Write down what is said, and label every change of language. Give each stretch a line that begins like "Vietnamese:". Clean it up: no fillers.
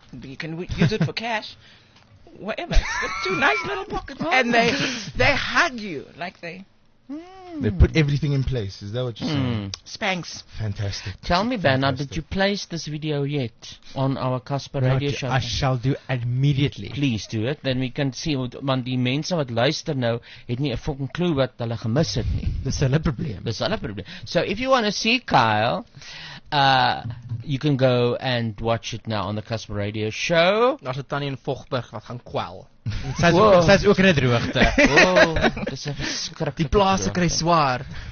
English: You can use it for cash. Whatever. It's two nice little pockets. And they hug you like they... They put everything in place. Is that what you're saying? Spanx. Fantastic. Tell me, Bernard, did you place this video yet on our Casper radio show? I shall do immediately. Please do it. Then we can see what the
Afrikaans: mense wat luister nou het nie 'n fucking clue wat hulle gemis het nie. Dis hulle probleem. Dis hulle probleem.
English: So if you want to see Kyle, you can go and watch it now on the Casper radio show.
Afrikaans: Not a Tannie in Vogberg wat gaan kwel. Sy's ook in 'n droogte. Dis 'n skrik. Die plase kry swaar.